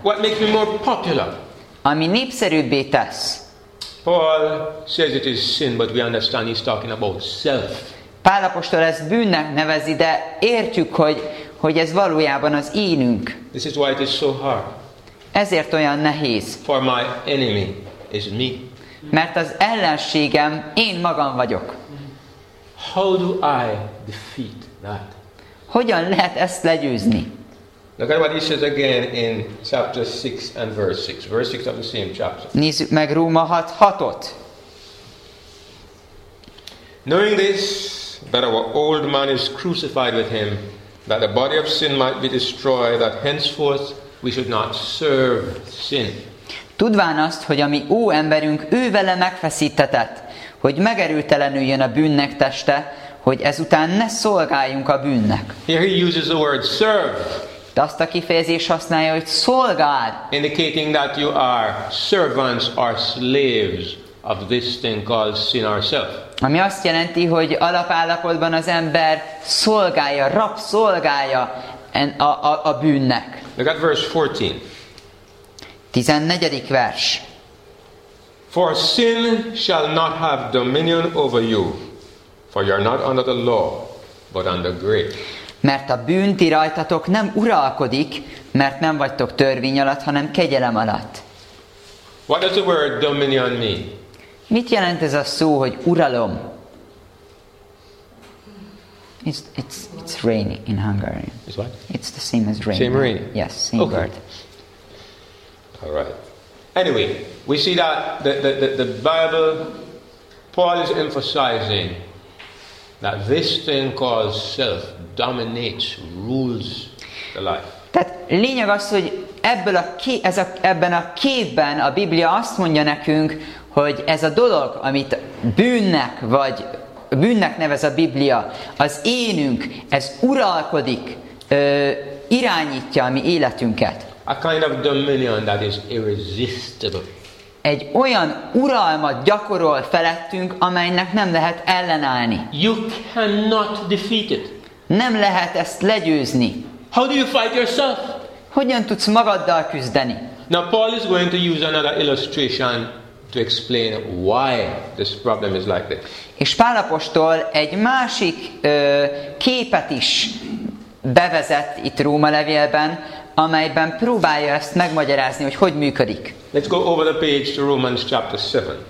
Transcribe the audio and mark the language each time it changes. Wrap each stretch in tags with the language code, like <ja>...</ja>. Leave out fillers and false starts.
<en>What makes me more popular?</en> <hu>Ami népszerűbbé tesz.</hu> <en>Paul says it is sin, but we understand he's talking about self.</en> <hu>Pál apostol ezt bűnnek nevezi, de értjük, hogy ez valójában az énünk.</hu> <en>This is why it is so hard.</en> <hu>Ezért olyan nehéz.</hu> <en>For my enemy is me.</en> <hu>Mert az ellenségem én magam vagyok.</hu> <en>How do I defeat that?</en> <hu>Hogyan lehet ezt legyőzni?</hu> <en>Look at what he says again in chapter 6 and verse 6. Verse 6 of the same chapter.</en> <hu>Nézzük meg Róma 6:6.</hu> <en>Knowing this, that our old man is crucified with him, that the body of sin might be destroyed, that henceforth we should not serve sin.</en> <hu>Tudván azt, hogy a mi ó emberünk ő vele megfeszítetett, hogy megerőtelenüljön a bűnnek teste, hogy ezután ne szolgáljunk a bűnnek.</hu> <en>Here he uses the word serve.</en> <hu>De azt a kifejezés használja, hogy szolgál.</hu> <en>Indicating that you are servants or slaves of this thing called sin ourself.</en> <hu>Ami azt jelenti, hogy alapállapotban az ember szolgálja, rabszolgálja a bűnnek.</hu> <en>Look at verse 14.</en> <hu>14. vers.</hu> <en>For sin shall not have dominion over you, for you are not under the law, but under grace.</en> <hu>Mert a bűn ti rajtatok nem uralkodik, mert nem vagytok törvény alatt, hanem kegyelem alatt.</hu> <en>What does the word dominion mean?</en> <hu>Mit jelent ez a szó, hogy uralom?</hu> <en>It's rainy in Hungarian. It's what? It's the same as rain. Same rain. Yes, same okay. Word. All right. Anyway, we see that the Bible, Paul is emphasizing that this thing called self dominates, rules the life.</en> <hu>Tehát lényeg az, hogy ebben a képben a Biblia azt mondja nekünk, hogy ez a dolog, amit bűnnek nevez a Biblia, az énünk, ez uralkodik, irányítja a mi életünket.</hu> <en>A kind of dominion that is irresistible.</en> <hu>Egy olyan uralmat gyakorol felettünk, amelynek nem lehet ellenállni.</hu> <en>You cannot defeat it.</en> <hu>Nem lehet ezt legyőzni.</hu> <en>How do you fight yourself?</en> <hu>Hogyan tudsz magaddal küzdeni?</hu> <en>Now Paul is going to use another illustration to explain why this problem is like this.</en> <hu>És Pál apostol egy másik képet is bevezett itt Róma levélben, amelyben próbálja ezt megmagyarázni, hogy hogyan működik.</hu> <en>Let's go over the page to Romans chapter 7.</en>